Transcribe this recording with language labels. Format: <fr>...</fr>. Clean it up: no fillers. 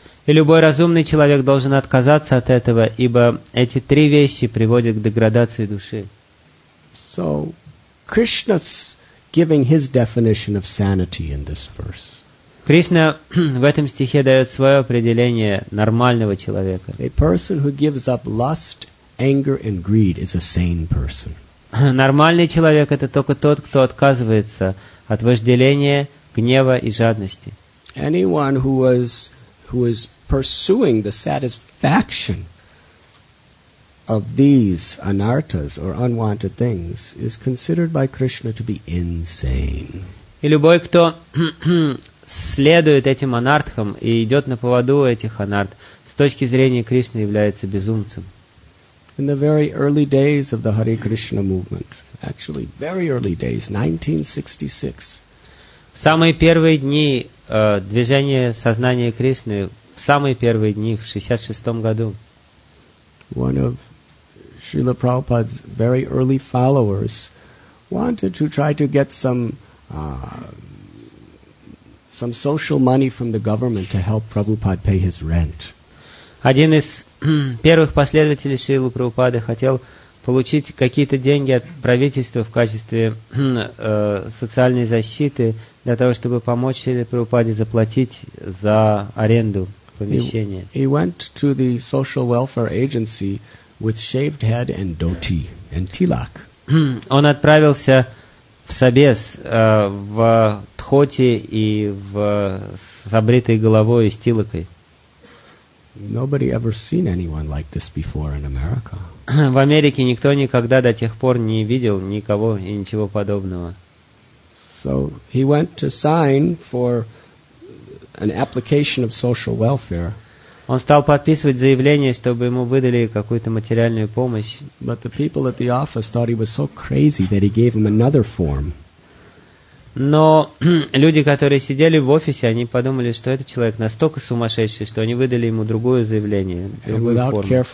<ru>И любой разумный человек должен отказаться от этого, ибо эти три вещи приводят к деградации души.</ru> <en>So, Krishna's giving his definition of sanity in this verse.</en> <ru>Кришна в этом стихе дает свое определение нормального человека.</ru> <en>A person who gives up lust, anger and greed is a sane person.</en> <ru>Нормальный человек – это только тот, кто отказывается от вожделения, гнева и жадности.</ru> <en>Anyone who was pursuing the satisfaction of these anartas or unwanted things is considered by Krishna to be insane.</en> <ru>И любой, кто следует этим анартхам и идет на поводу этих анарт, с точки зрения Кришны является безумцем.</ru> <en>In the very early days of the Hare Krishna movement, actually very early days, 1966.</en> <ru>В самые первые дни движения сознания Кришны, в самые первые дни, в 66-м году.</ru> <en>One of Srila Prabhupada's very early followers wanted to try to get some social money from the government to help Prabhupada pay his rent.</en> <ru>Один из первых последователей Шрилы Прабхупады хотел получить какие-то деньги от правительства в качестве социальной защиты для того, чтобы помочь Шриле Прабхупаде заплатить за аренду помещения.</ru> <en>He went to the social welfare agency with shaved head and dhoti and tilak.</en> <ru>Он отправился в собес в дхоти и в с обритой головой и с тилакой.</ru> <en>Nobody ever seen anyone like this before in America.</en> <ru>В Америке никто никогда до тех пор не видел никого и ничего подобного.</ru> <en>So he went to sign for an application of social welfare.</en> <ru>Он стал подписывать заявление, чтобы ему выдали какую-то материальную помощь.</ru> <en>But the people at the office thought he was so crazy that he gave him another form.</en> <ru>Но люди, которые сидели в офисе, они подумали, что этот человек настолько сумасшедший, что они выдали ему другое заявление, другую форму.</ru>